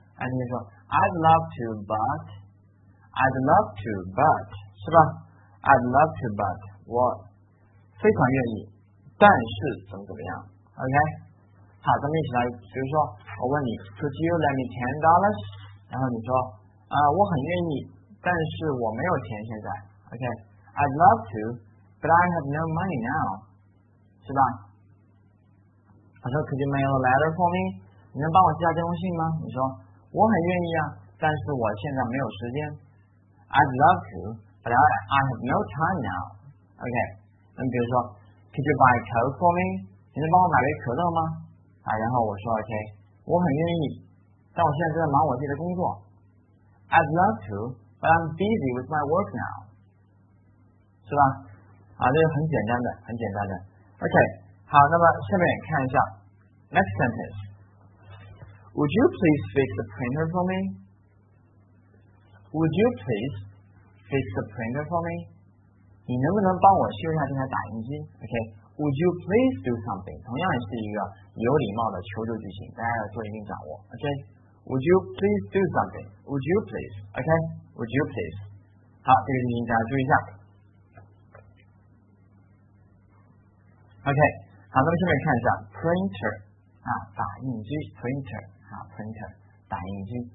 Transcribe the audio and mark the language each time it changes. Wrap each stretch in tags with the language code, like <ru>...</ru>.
<zh>哎，你说</zh> <en>I'd love to, but I'd love to, but</en> <zh>是吧 ？I'd love to, but 我非常愿意，但是怎么怎么样 ？OK, 好，咱们一起来，比如说我问你 ，</zh> <en>Could you lend me $10?</en> <zh>然后你说啊、我很愿意。但是我没有钱现在 ，OK?</zh> <en>I'd love to, but I have no money now,</en> <zh>是吧？他说</zh> <en>，Could you mail a letter for me?</en> <zh>你能帮我寄下这封信吗？你说我很愿意啊，但是我现在没有时间。</zh> <en>I'd love to, but I have no time now, OK?</en> <zh>那比如说</zh> <en>，Could you buy a Coke for me?</en> <zh>你能帮我买杯可乐吗？啊，然后我说 ，OK, 我很愿意，但我现在正在忙我自己的工作。</zh> <en>I'd love to. But I'm busy with my work now.</en> <zh>是吧？啊，这是很简单的，很简单的。OK, 好，那么下面看一下。</zh> <en>Next sentence. Would you please fix the printer for me? Would you please fix the printer for me?</en> <zh>你能不能帮我修一下这台打印机 ？OK,</zh> <en>would you please do something?</en> <zh>同样也是一个有礼貌的求助句型，大家要做一定掌握。</zh> <en>OK, would you please do something? Would you please? OK. Would you please?</en> <zh>好，这个你大家注意一下。 OK, 好，咱们下面看一下 printer 啊，打印机 printer 啊 ，printer 打印机。</zh>